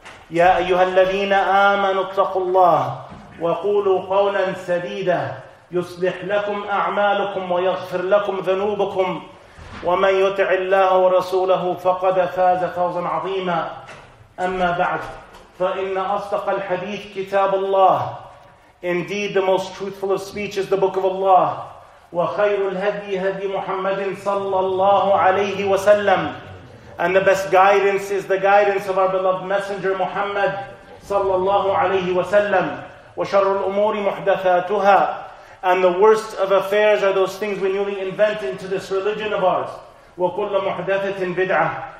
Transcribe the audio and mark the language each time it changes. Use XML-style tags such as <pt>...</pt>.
<ar>يا أيها الذين آمنوا اتقوا الله وقولوا قولا سديدا يصلح لكم أعمالكم ويغفر لكم ذنوبكم، ومن يطع الله ورسوله فقد فاز فوزا عظيما. أما بعد، فإن أصدق الحديث كتاب الله.</ar> <en>Indeed, the most truthful of speech is the book of Allah.</en> <ar>وخير الهدي هدي محمد صلى الله عليه وسلم.</ar> <en>And the best guidance is the guidance of our beloved messenger Muhammad</en> <ar>صلى الله عليه وسلم. وشر الأمور محدثاتها.</ar> <en>And the worst of affairs are those things we newly invent into this religion of ours.</en> <ar>وَكُلَّ مُحْدَثَةٍ بِدْعَةٍ.</ar>